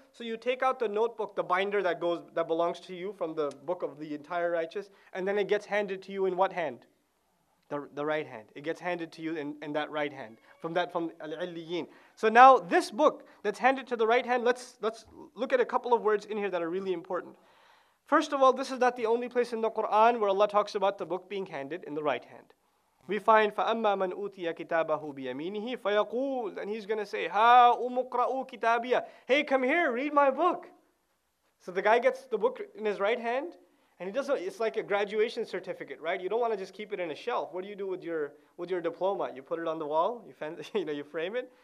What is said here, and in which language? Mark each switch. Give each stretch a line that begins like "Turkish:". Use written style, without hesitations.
English: So you take out the notebook, the binder that belongs to you from the book of the entire righteous, and then it gets handed to you in what hand? The right hand. It gets handed to you in that right hand. From Al-Illiyin. So now this book that's handed to the right hand, let's look at a couple of words in here that are really important. First of all, this is not the only place in the Quran where Allah talks about the book being handed in the right hand. We find
Arabic: فَأَمَّا مَنْ أُوتِيَ كِتَابَهُ بِيَمِينِهِ فَيَقُولُ.
English: And he's gonna say,
Arabic: هَا أُمُقْرَأُ كِتَابِيَ.
English: Hey, come here, read my book. So the guy gets the book in his right hand. And it's like a graduation certificate, right? You don't want to just keep it in a shelf. What do you do with your diploma? You put it on the wall, you frame it.